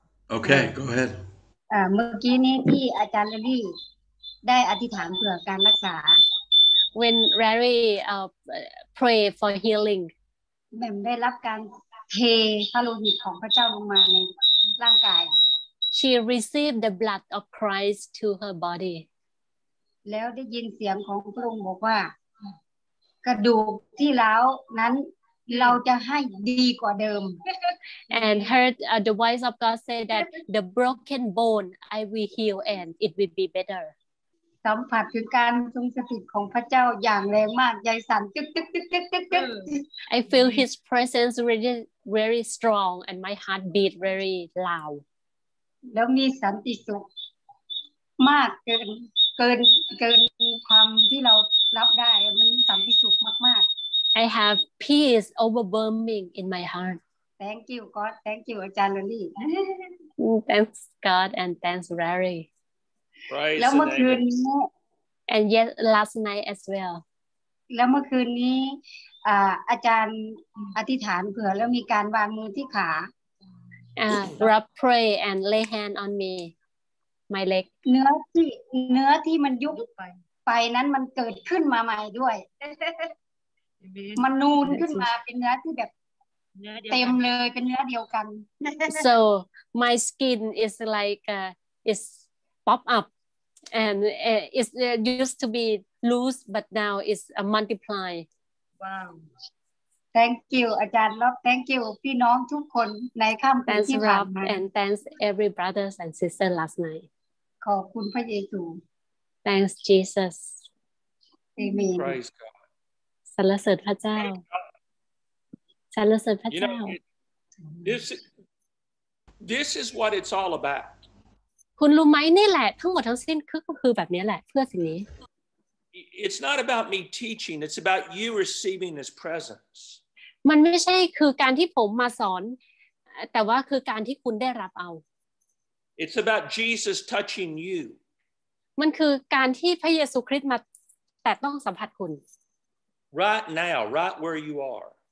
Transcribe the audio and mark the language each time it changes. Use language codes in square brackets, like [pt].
[en] Okay, go ahead. [th] เมื่อกี้นี้พี่อาจารย์ลี่ได้อธิษฐานเผื่อการรักษา [en] When Larry pray for healing. [th] แม่มได้รับการเทพระโลหิตของพระเจ้าลงมาในร่างกาย [en] She received the blood of Christ to her body. [th] แล้วได้ยินเสียงของพระองค์บอกว่ากระดูกที่แล้วนั้นเราจะให้ดีกว่าเดิม [en] and heard the voice of God say that the broken bone I will heal and it will be better [th] สัมผัสถึงการทรงสถิตของพระเจ้าอย่างแรงมากใจสั่นตึ๊กตึ๊กตึ๊กตึ๊กตึ๊ก [en] I feel His presence really very strong and my heart beat very loud [th] แล้วมีสันติสุขมากเกินความที่เรารับได้มันสันติสุขมาก [en] ๆ I have peace overwhelming in my heart Thank you God Thank you อาจารย์ลลี่ Thanks God and thanks Larry Right [th] แล้วเมื่อคืนนี้ [en] And yes last night as well [th] แล้วเมื่อคืนนี้อาจารย์อธิษฐานเผื่อแล้วมีการวางมือที่ขา [en] Rub pray and lay hand on meMy leg. [th] เนื้อที่มันยุบไปนั้นมันเกิดขึ้นมาใหม่ด้วยมันนูนขึ้นมาเป็นเนื้อที่แบบเต็มเลยเป็นเนื้อเดียวกัน [en] So my skin is like is pop up and it used to be loose but now it's a multiply. Wow. Thank you, อาจารย์ Rob. Thank you, [th] พี่น้องทุกคนในค่ำคืนที่ผ่านมา [en] Thanks Rob and thanks every brothers and sisters last night. [th] ขอบคุณพระเยซู [en] Thanks Jesus Amen Praise God [th] สรรเสริญพระเจ้าสรรเสริญพระเจ้า [en] you know, this is what it's all about [th] คุณรู้ไหมนี่แหละทั้งหมดทั้งสิ้นคือแบบนี้แหละเพื่อสิ่งนี้ [en] It's not about me teaching it's about you receiving His presence [th] มันไม่ใช่คือการที่ผมมาสอนแต่ว่าคือการที่คุณได้รับเอา [en] It's about Jesus touching you. [th] มันคือการที่พระเยซูคริสต์มาแตะต้องสัมผัสคุณ [en] Right now, right where you are.